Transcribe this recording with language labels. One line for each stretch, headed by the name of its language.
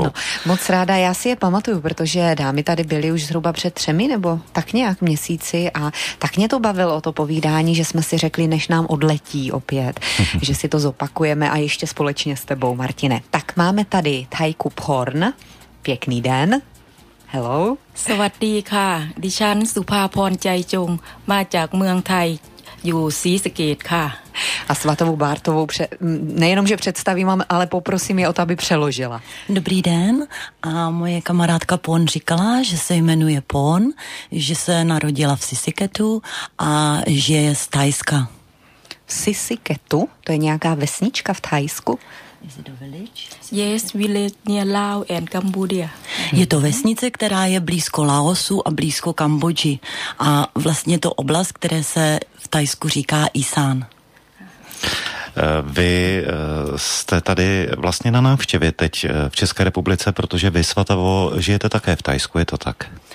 Czech: Ano, moc ráda, já si je pamatuju, protože dámy tady byly už zhruba před třemi nebo tak nějak měsíci a tak mě to bavilo to povídání, že jsme si řekli, než nám odletí opět, že si to zopakujeme a ještě společně s tebou, Martine. Tak máme tady Thajku Phorn, pěkný den.
English: Hello.
Thai: สวัสดีค่ะดิฉันสุภาพรใจจงมาจากเมืองไทยอยู่ศรีสะเกษค่ะ
Czech: A Svatovou Bártovou nejenom, že představím, ale poprosím je o to, aby přeložila. Dobrý den. A moje kamarádka Phorn říkala, že se jmenuje Phorn, že se narodila v Sisiketu a že je z Thajska. V Sisiketu? To je nějaká vesnička v Thajsku?
English: Is it a village? Yes, village near Laos and Cambodia.
Czech: Je to vesnice, která je blízko Laosu a blízko Kambodži. A vlastně to oblast, které se v Thajsku říká Isan. Vy jste tady vlastně na návštěvě teď v České republice, protože vy, Svatavo, žijete také v Thajsku, je to tak?